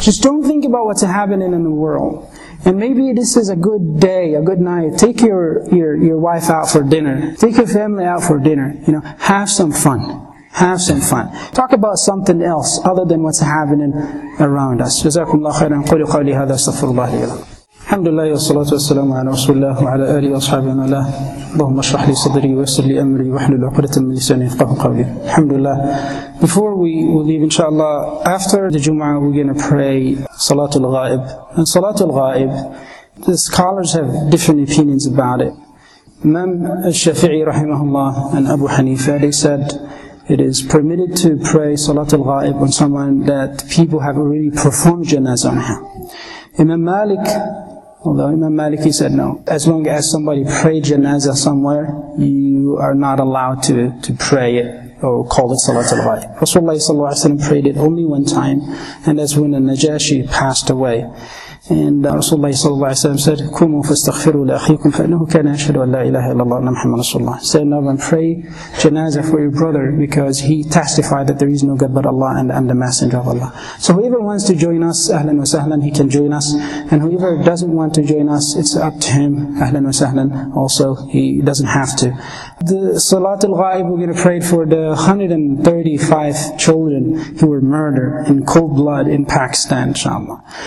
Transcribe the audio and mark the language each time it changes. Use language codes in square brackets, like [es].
[en] Just don't think about what's happening in the world. And maybe this is a good day, a good night. Take your wife out for dinner. Take your family out for dinner. You know, have some fun. Have some fun. Talk about something else other than what's happening around us. [ar] Jazakumullah khairan. Qulu qawli hadha. Astaghfirullah li wa lakum. الحمد لله والصلاة والسلام على رسول الله وعلى آله وأصحابه وعلى آله. اللهم اشرح لي صدري ويسر لي أمري واحلل عقدة من لساني يفقهوا قولي. الحمد لله. [en] Before we leave, inshallah, after the Jumu'ah, we're going to pray Salatul Ghaib. And Salatul Ghaib, the scholars have different opinions about it. Imam al-Shafi'i rahimahullah and Abu Hanifa, they said it is permitted to pray Salatul Ghaib on someone that people have already performed janazah on him. Imam Malik, although Imam Malik, he said no. As long as somebody prayed janazah somewhere, you are not allowed to pray it or call it Salatul Ghaib. Rasulullah sallallahu alayhi wa sallam prayed it only one time, and that's when Najashi passed away. And Rasulullah sallallahu alayhi wa sallam said, [ar] كُمُوا فَاسْتَغْفِرُوا لَأَخِيكُمْ فَإِنَّهُ كَانَ أَشْهَدُ أَنْ لَا إِلَهَ إِلَّا اللَّهُ مُحَمَّدُ رَسُولُ اللَّهِ. [en] Say, now and pray janazah for your brother, because he testified that there is no God but Allah and I'm the Messenger of Allah. So whoever wants to join us, ahlan wa sahlan, he can join us. And whoever doesn't want to join us, it's up to him, ahlan wa sahlan. Also, he doesn't have to. The Salatul Ghaib, we're going to pray for the 135 children who were murdered in cold blood in Pakistan, inshallah.